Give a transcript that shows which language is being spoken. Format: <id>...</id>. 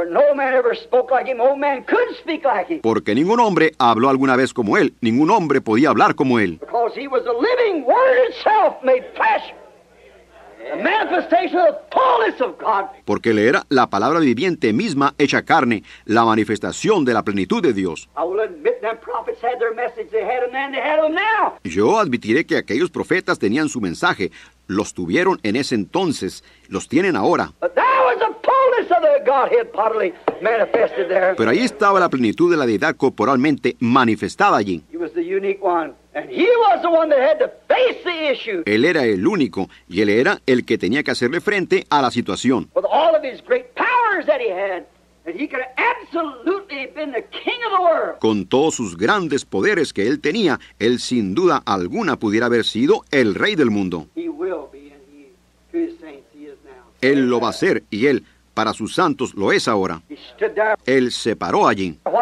<en>No man ever spoke like him. No man could speak like him.</en> <es>Porque ningún hombre habló alguna vez como él. Ningún hombre podía hablar como él.</es> <en>Because he was the living word itself made flesh. The manifestation of the fullness of God.</en> <es>Porque él era la palabra viviente misma hecha carne, la manifestación de la plenitud de Dios.</es> <en>I will admit them prophets had their message. They had them then, they had them now.</en> <es>Yo admitiré que aquellos profetas tenían su mensaje. Los tuvieron en ese entonces. Los tienen ahora.</es> <en>But that was the fullness of the Godhead bodily manifested there.</en> <es>Pero ahí estaba la plenitud de la deidad corporalmente manifestada allí.</es> <en>He was the unique one. And he was the one that had to face the issue.</en> <es>Él era el único, y él era el que tenía que hacerle frente a la situación.</es> <en>With all of his great powers that he had, and he could have absolutely been the king of the world.</en> <es>Con todos sus grandes poderes que él tenía, él sin duda alguna pudiera haber sido el rey del mundo.</es> <en>He will be, and he, to his saints, he is now.</en> <es>Él lo va a ser, y él, para sus santos, lo es ahora. Él se paró allí.</es>